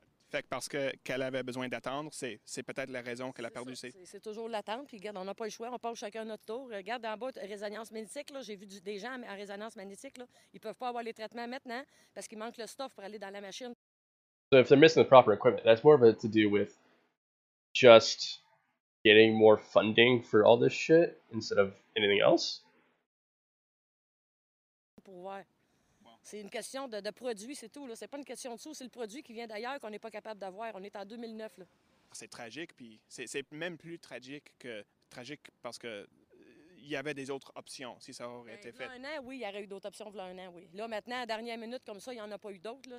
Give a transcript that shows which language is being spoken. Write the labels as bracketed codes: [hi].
[fr] Fait que parce qu'elle avait besoin d'attendre, c'est peut-être la raison qu'elle a perdu ses... C'est toujours l'attente, puis regarde, on n'a pas le choix, on passe chacun notre tour. Regarde, en bas, résonance magnétique, là, j'ai vu des gens en résonance magnétique, là, ils peuvent pas avoir les traitements maintenant, parce qu'il manque le stuff pour aller dans la machine. [en] So if they're missing the proper equipment, that's more of a to do with just getting more funding for all this shit, instead of anything else? [fr] Pour voir. C'est une question de produit, c'est tout. Là. C'est pas une question de sous, c'est le produit qui vient d'ailleurs qu'on n'est pas capable d'avoir. On est en 2009. Là. C'est tragique, puis c'est même plus tragique que tragique parce que il y avait des autres options si ça aurait été fait. Un an, oui, il y aurait eu d'autres options. Un an, oui. Là, maintenant, à dernière minute, comme ça, il n'y en a pas eu d'autres. Là.